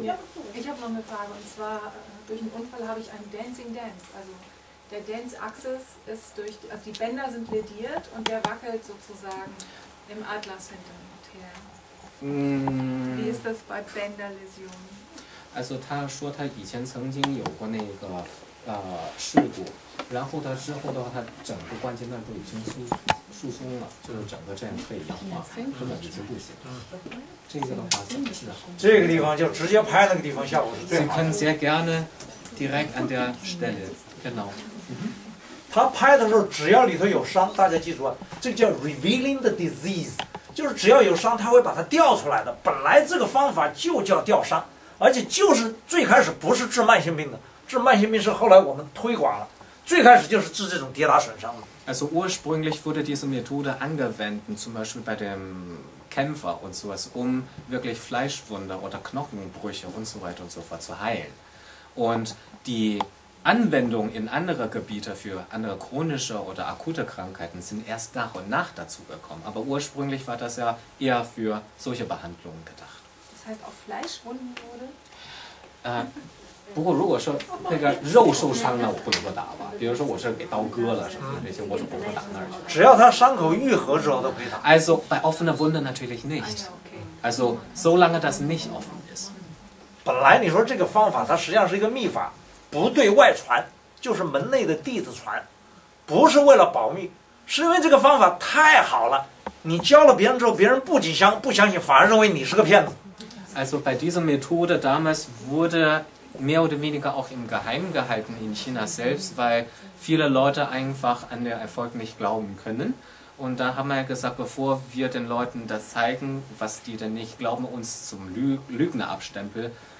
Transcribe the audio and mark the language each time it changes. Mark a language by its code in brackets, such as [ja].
[de] Ich habe noch eine Frage und zwar durch einen Unfall habe ich einen Dancing Dance. Also der Dance Axis ist durch, also die Bänder sind lediert und der wackelt sozusagen im Atlas hinter und her. Wie ist das bei Bänderläsionen? [zh] Also, 他说他以前曾经有过那个事故，然后他之后的话，他整个关节段都已经疏松了，就是整个这样可以氧化，根本就不行。这个的话怎么治啊？这个地方就直接拍那个地方，效果是最好的。 [de] Sie können sehr gerne direkt an der Stelle, genau. [zh] 他拍的时候，只要里头有伤，大家记住啊，这个叫 [en] revealing the disease。 [zh] 就是只要有伤，他会把它调出来的。本来这个方法就叫调伤，而且就是最开始不是治慢性病的，治慢性病是后来我们推广了。最开始就是治这种跌打损伤的。 [de] Also ursprünglich wurde diese Methode angewendet, zum Beispiel bei dem Kämpfer und sowas, um wirklich Fleischwunde oder Knochenbrüche und so weiter und so fort zu heilen. Und die Anwendung in andere Gebiete für andere chronische oder akute Krankheiten sind erst nach und nach dazu gekommen. Aber ursprünglich war das ja eher für solche Behandlungen gedacht. Das heißt, auch Fleischwunden wurde? [zh] 不过如果说那个肉受伤了，我不能够打吧？比如说我是给刀割了什么的这些，我就不能打那儿去。只要他伤口愈合之后都可以打。 [de] Also bei offener Wunde natürlich nicht. Also solange das nicht offen ist. [zh] 本来你说这个方法，它实际上是一个秘法。不对外传，就是门内的弟子传，不是为了保密，是因为这个方法太好了。你教了别人之后，别人不仅不相信，反而认为你是个骗子。 [de] Also bei dieser Methode damals wurde mehr oder weniger auch im Geheim gehalten in China selbst, weil viele Leute einfach an den Erfolg nicht glauben können. Und da haben wir gesagt, bevor wir den Leuten das zeigen, was die denn nicht glauben, uns zum Lügner abstempeln.